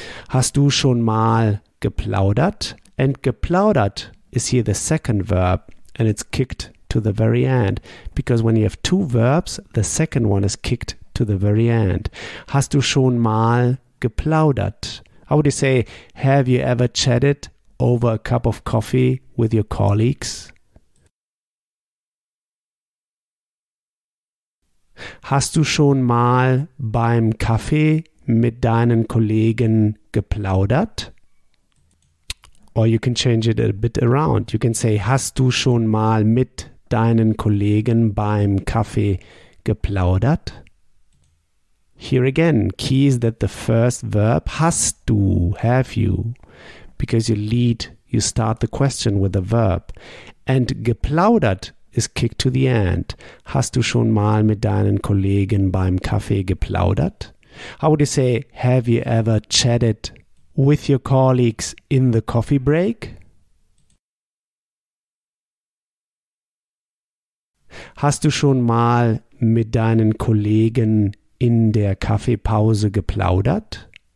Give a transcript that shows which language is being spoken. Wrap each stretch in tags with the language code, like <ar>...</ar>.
<de>Hast du schon mal geplaudert?</de> <en>And geplaudert is here the second verb and it's kicked to the very end. Because when you have two verbs, the second one is kicked to the very end.</en> <de>Hast du schon mal geplaudert?</de> <en>How would you say, have you ever chatted over a cup of coffee with your colleagues?</en> <de>Hast du schon mal beim Kaffee mit deinen Kollegen geplaudert?</de> <en>Or you can change it a bit around. You can say,</en> <de>hast du schon mal mit deinen Kollegen beim Kaffee geplaudert?</de> <en>Here again, key is that the first verb,</en> <de>hast du,</de> <en>have you, because you lead, you start the question with a verb. And geplaudert is kicked to the end.</en> <de>Hast du schon mal mit deinen Kollegen beim Kaffee geplaudert?</de> <en>How would you say, have you ever chatted with your colleagues in the coffee break?</en> <de>Hast du schon mal mit deinen Kollegen in der Kaffeepause geplaudert?</de>